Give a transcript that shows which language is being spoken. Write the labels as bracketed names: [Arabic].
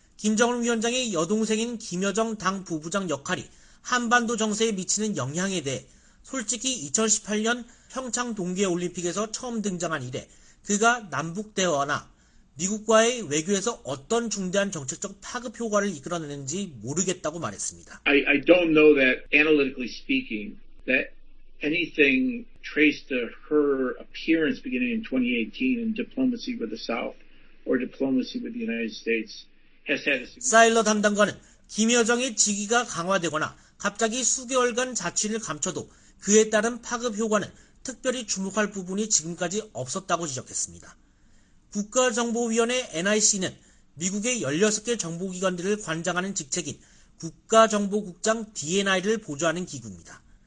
[Korean] 김정은 위원장의 여동생인 김여정 당 부부장 역할이 한반도 정세에 미치는 영향에 대해 솔직히 2018년 평창 동계올림픽에서 처음 등장한 이래 그가 남북대화나 미국과의 외교에서 어떤 중대한 정책적 파급 효과를 이끌어내는지 모르겠다고 말했습니다. [English] I don't know that analytically speaking that anything traced to her appearance beginning in 2018 in diplomacy with the South or diplomacy with the United States has had a significant. [Korean] 사일러 담당관은 김여정의 직위가 강화되거나 갑자기 수개월간 자취를 감춰도 그에 따른 파급 효과는 특별히 주목할 부분이 지금까지 없었다고 지적했습니다. 국가정보위원회 NIC는 미국의 16개 정보기관들을 관장하는 직책인 국가정보국장 DNI를 보좌하는 기구입니다.